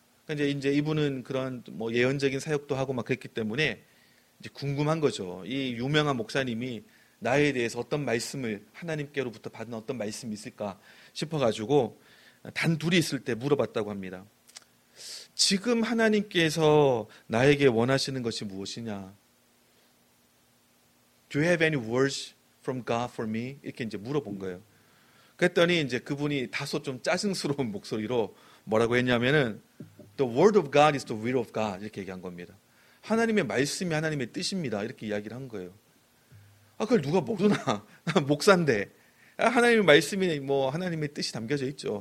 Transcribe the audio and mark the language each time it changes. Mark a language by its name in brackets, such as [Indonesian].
[Korean] 이제 이분은 그런 뭐 예언적인 사역도 하고 막 그랬기 때문에 이제 궁금한 거죠. 이 유명한 목사님이 나에 대해서 어떤 말씀을 하나님께로부터 받은 어떤 말씀이 있을까 싶어가지고 단 둘이 있을 때 물어봤다고 합니다. 지금 하나님께서 나에게 원하시는 것이 무엇이냐? [English] Do you have any words from God for me? [Korean] 이렇게 이제 물어본 거예요. 그랬더니 이제 그분이 다소 좀 짜증스러운 목소리로 뭐라고 했냐면은 [English] The word of God [Korean] is the will of God 이렇게 얘기한 겁니다. 하나님의 말씀이 하나님의 뜻입니다. 이렇게 이야기를 한 거예요. 아 그걸 누가 모르나? 목사인데 하나님의 말씀이 뭐 하나님의 뜻이 담겨져 있죠.